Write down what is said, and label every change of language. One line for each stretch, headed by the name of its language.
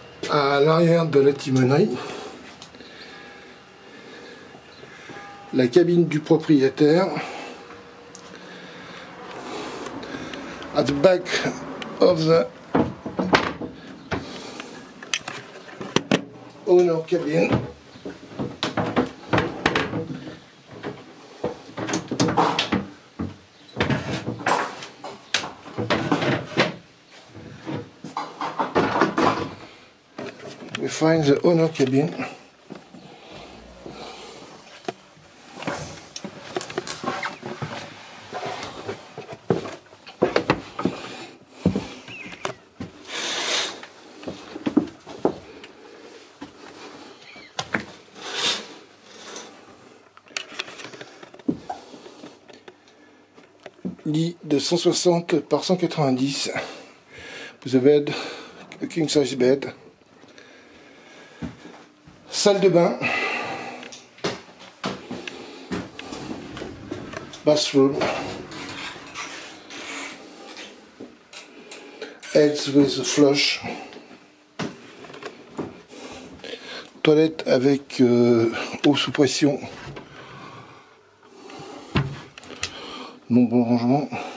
French: À l'arrière de la timonerie, la cabine du propriétaire.
English: At the back of the owner cabin. Find the owner cabin.
French: Lit de 160 par 190.
English: With a bed, a king size bed.
French: Salle de bain,
English: bathroom, heads with a flush,
French: toilette avec eau sous pression, nombreux rangements.